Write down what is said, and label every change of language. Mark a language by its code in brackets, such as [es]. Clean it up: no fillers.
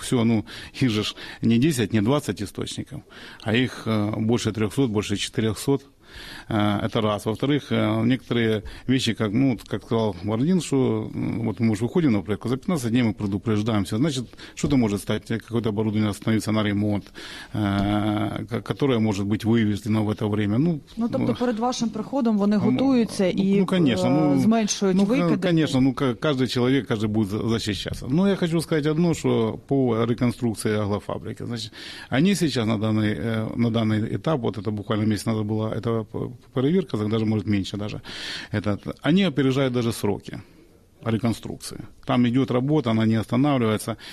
[ru] Все, ну, их же не 10, не 20 источников, а их больше 300, больше 400. Это раз. Во-вторых, некоторые вещи, как, ну, как сказал Бородин, что вот мы уже выходим на проверку, за 15 дней мы предупреждаемся. Значит, что-то может стать, какое-то оборудование остановится на ремонт, которое может быть вывезено в это время. Ну, [uk] ну тобто перед вашим приходом вони готуються ну, і [ru] ну, конечно, ну, [uk] зменшують ну, викиди? [ru] Ну, конечно, ну, каждый человек, каждый будет защищаться. Ну, я хочу сказать одно, что по реконструкции аглофабрики. Значит, они сейчас на данный этап, вот это буквально месяц назад было, это проверка, даже может меньше даже. Они опережают даже сроки реконструкции. Там идет работа, она не останавливается.